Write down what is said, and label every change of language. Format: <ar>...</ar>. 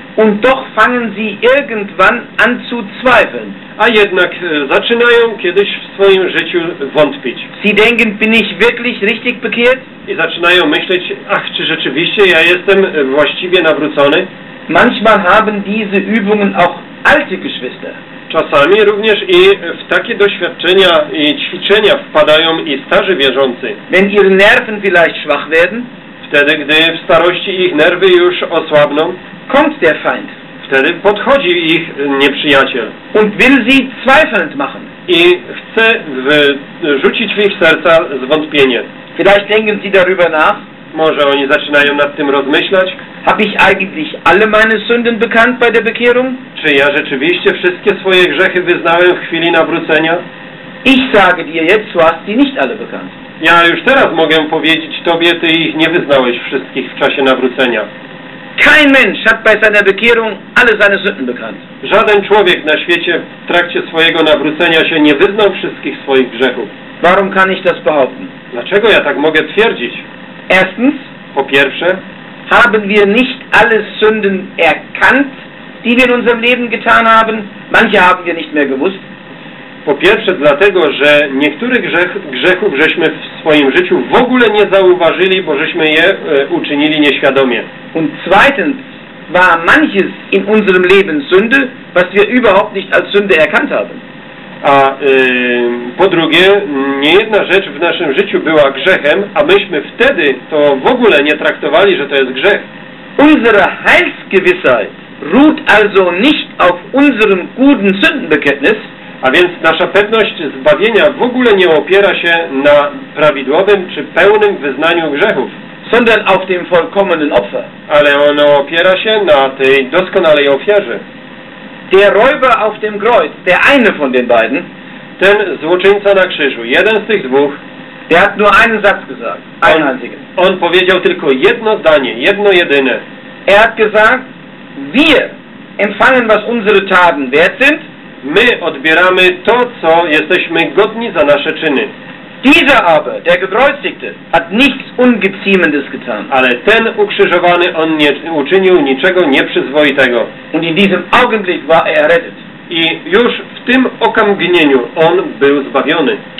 <de>Und doch fangen sie irgendwann an zu zweifeln.</de> <pl>A jednak zaczynają kiedyś w swoim życiu wątpić.</pl> <de>Sie denken, bin ich wirklich richtig bekehrt?</de> <pl>I zaczynają myśleć, ach, czy rzeczywiście ja jestem właściwie nawrócony?</pl> <de>Manchmal haben diese Übungen auch alte Geschwister.</de> <pl>Czasami również i w takie doświadczenia i ćwiczenia wpadają i starzy wierzący.</pl> <de>Wenn ihre Nerven vielleicht schwach werden,</de> <pl>wtedy, gdy w starości ich nerwy już osłabną,</pl> <de>kommt der Feind.</de> <pl>Wtedy podchodzi ich nieprzyjaciel.</pl> <de>Und will sie zweifelnd machen.</de> <pl>I chce rzucić w ich serca zwątpienie.</pl> <de>Vielleicht denken sie darüber nach.</de> <pl>Może oni zaczynają nad tym rozmyślać.</pl> <de>Hab ich eigentlich alle meine Sünden bekannt bei der Bekehrung?</de> <pl>Czy ja rzeczywiście wszystkie swoje grzechy wyznałem w chwili nawrócenia?</pl> <de>Ich sage dir jetzt, du hast sie nicht alle bekannt.</de> <pl>Ja już teraz mogę powiedzieć tobie, ty ich nie wyznałeś wszystkich w czasie nawrócenia.</pl> <de>Kein Mensch hat bei seiner Bekehrung alle seine Sünden bekannt.</de> <pl>Żaden człowiek na świecie w trakcie swojego nawrócenia się nie wyznał wszystkich swoich grzechów.</pl> <de>Warum kann ich das behaupten?</de> <pl>Dlaczego ja tak mogę twierdzić?</pl> <de>Erstens,</de> <pl>po pierwsze,</pl> <de>haben wir nicht alle Sünden erkannt, die wir in unserem Leben getan haben. Manche haben wir nicht mehr gewusst.</de> <pl>Po pierwsze, dlatego, że niektórych grzechów żeśmy w swoim życiu w ogóle nie zauważyli, bo żeśmy je uczynili nieświadomie.</pl> <de>Und zweitens war manches in unserem Leben Sünde, was wir überhaupt nicht als Sünde erkannt haben.</de> <pl>A po drugie, niejedna rzecz w naszym życiu była grzechem, a myśmy wtedy to w ogóle nie traktowali, że to jest grzech.</pl> <de>Unsere Heilsgewissheit ruht also nicht auf unserem guten Sündenbekenntnis.</de> <pl>A więc nasza pewność zbawienia w ogóle nie opiera się na prawidłowym czy pełnym wyznaniu grzechów,</pl> <de>sondern auf dem vollkommenen Opfer.</de> <pl>Ale ono opiera się na tej doskonałej ofierze.</pl> <de>Der Räuber auf dem Kreuz, der eine von den beiden,</de> <pl>ten złoczyńca na krzyżu, jeden z tych dwóch,</pl> <de>der hat nur einen Satz gesagt, einen einzigen.</de> <pl>On powiedział tylko jedno zdanie, jedno jedyne.</pl> <de>Er hat gesagt, wir empfangen, was unsere Taten wert sind.</de> <pl>My odbieramy to, co jesteśmy godni za nasze czyny.</pl> <de>Dieser aber, der Gekreuzigte, hat nichts Ungeziemendes getan.</de> <pl>Ale ten ukrzyżowany, on nie uczynił niczego nieprzyzwoitego.</pl> <de>Und in diesem Augenblick war er errettet.</de> <pl>I już w tym okamgnieniu on był zbawiony.</pl>